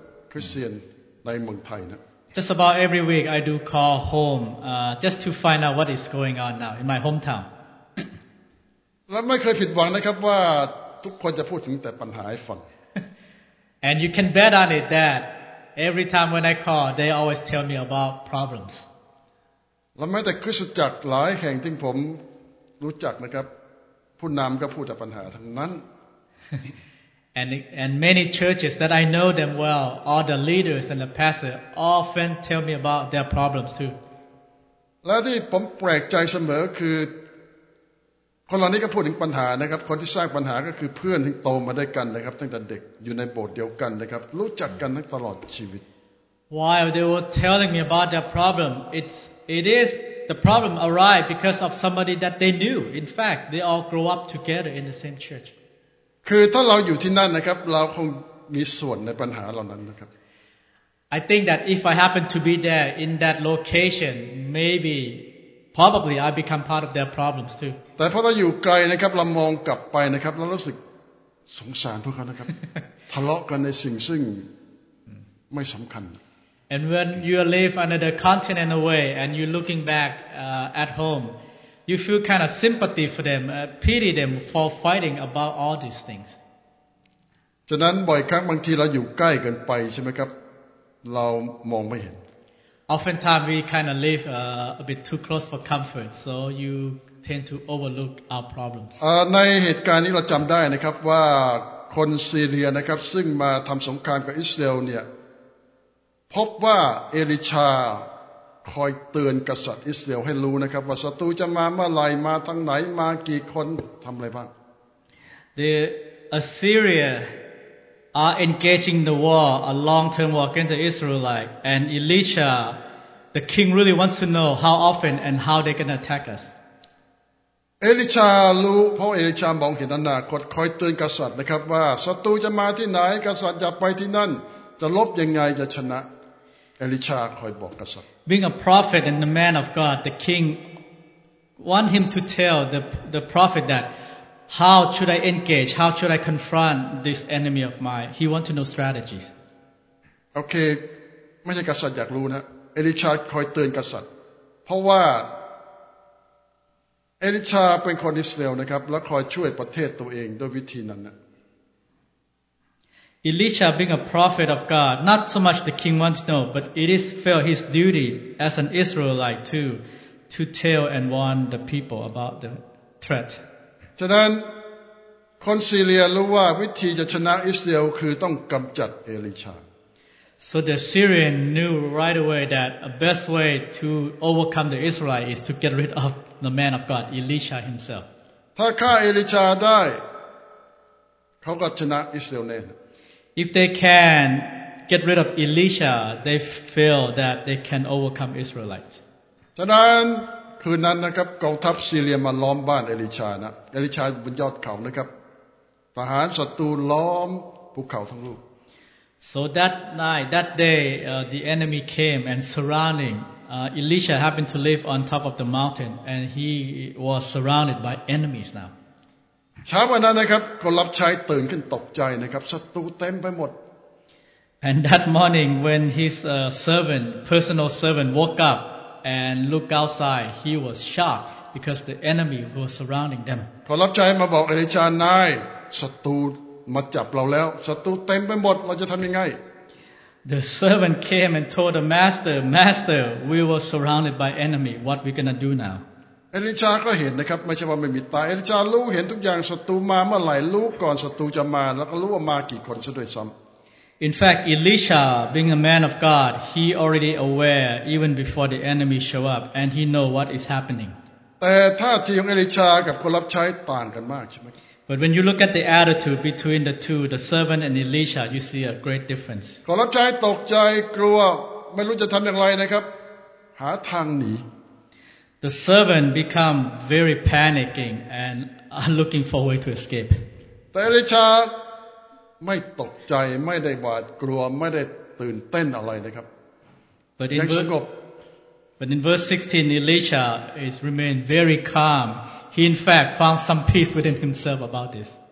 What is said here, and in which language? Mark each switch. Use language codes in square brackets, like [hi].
[en] Just about every week, I do call home just to find out what is going on now in my hometown. [th] และไม่เคยผิดหวังนะครับว่าทุกคนจะพูดถึงแต่ปัญหาให้ฟัง [en] And you can bet on it that every time when I call they always tell me about problems [th] และแม้แต่คริสตจักรหลายแห่งที่ผมรู้จักนะครับผู้นำก็พูดแต่ปัญหาทั้งนั้น [en] And many churches that I know them well all the leaders and the pastors often tell me about their problems too [th] และที่ผมแปลกใจเสมอคือคนเรานี้ก็พูดถึงปัญหานะครับคนที่สร้างปัญหาก็คือเพื่อนที่โตมาด้วยกันนะครับตั้งแต่เด็กอยู่ในโบสถ์เดียวกันนะครับรู้จักกันตลอดชีวิต [en] While they were telling me about their problem it is the problem arrived because of somebody that they knew in fact they all grew up together in the same church [th] คือถ้าเราอยู่ที่นั่นนะครับเราคงมีส่วนในปัญหาเหล่านั้นนะครับ [en] I think that if I happen to be there in that location maybeprobably I become part of their problems too [th] แต่เพราะเราอยู่ไกลนะครับเรามองกลับไปนะครับเรารู้สึกสงสารพวกเขานะครับทะเลาะกันในสิ่งซึ่งไม่สำคัญ [en] And when you live on another continent away and you're looking back at home you feel kind of sympathy for them pity them for fighting about all these things [th] ฉะนั้นบ่อยครั้งบางทีเราอยู่ใกล้เกินไปใช่มั้ยครับเรามองไม่เห็น [en] Oftentimes we kind of live a bit too close for comfort, so you tend to overlook our problems. [th] ในเหตุการณ์นี้เราจำได้นะครับว่าคนซีเรียนะครับซึ่งมาทำสงครามกับอิสราเอลเนี่ยพบว่าเอลิชาคอยเตือนกษัตริย์อิสราเอลให้รู้นะครับว่าศัตรูจะมาเมื่อไหร่มาทางไหนมากี่คนทำอะไรบ้าง [en] The AssyriaAre engaging the war, a long-term war against the Israelites, and Elisha, the king, really wants to know how often and how they're going to attack us. Elisha knew, because Elisha saw the future, he kept warning the king that if the enemy comes to where, the king should go there. How will he fight? How will he win? Elisha kept warning the king. Being a prophet and a man of God, the king wanted him to tell the prophet that. How should I engage? How should I confront this enemy of mine? He wants to know strategies. [th] Okay, ไม่ใช่กษัตริย์อยากรู้นะ Elisha คอยเตือนกษัตริย์เพราะว่า Elisha เป็นคนอิสราเอลนะครับแล้วคอยช่วยประเทศตัวเองด้วยวิธีนั้นนะ [en] Elisha being a prophet of God, not so much the king wants to know, but it is felt his duty as an Israelite too to tell and warn the people about the threat. [th] ฉะนั้นคนซีเรียรู้ว่าวิธีจะชนะอิสราเอลคือต้องกำจัดเอลิชา [en] So the Syrian knew right away that the best way to overcome the Israelites is to get rid of the man of God, Elisha himself. [th] ถ้าฆ่าเอลิชาได้เขาก็ชนะอิสราเอลแน่ [en] If they can get rid of Elisha, they feel that they can overcome Israelites. [th] ฉะนั้นคืนนั้นนะครับกองทัพซีเรียมาล้อมบ้านเอลิชานะเอลิชาบนยอดเขานะครับทหารศัตรูล้อมภูเขาทั้งลูก [en] So that night, that day, the enemy came and surrounding. Elisha happened to live on top of the mountain, and he was surrounded by enemies now. [th] เช้าวันนั้นนะครับคนรับใช้ตื่นขึ้นตกใจนะครับศัตรูเต็มไปหมด [en] And that morning, when his personal servant woke up and looked outside, he was shocked because the enemy was surrounding them. [th] คนรับใช้มาบอกเอลิชานายศัตรูมาจับเราแล้วศัตรูเต็มไปหมดเราจะทำยังไง [en] The servant came and told the master, "Master, we were surrounded by enemy. What we gonna do now?" [th] เอลิชาก็เห็นนะครับไม่ใช่ว่าไม่มีตาเอลิชารู้เห็นทุกอย่างศัตรูมาเมื่อไหร่รู้ก่อนศัตรูจะมาแล้วก็รู้ว่ามากี่คนซะด้วยซ้ำ [en] In fact, Elisha, being a man of God, he already aware even before the enemy show up, and he know what is happening. [th] แต่ท่าทีของเอลิชากับคนรับใช้ต่างกันมากใช่ไหม [en] But when you look at the attitude between the two, the servant and Elisha, you see a great difference. [th] คนรับใช้ตกใจกลัวไม่รู้จะทำอย่างไรนะครับหาทางหนี [en] The servant become very panicking and looking for a way to escape. [th] แต่เอลิชาไม่ตกใจไม่ได้หวาดกลัวไม่ได้ตื่นเต้นอะไรนะครับยังสงบ [en] But in verse 16, Elisha is remained very calm. He in fact found some peace within himself about this.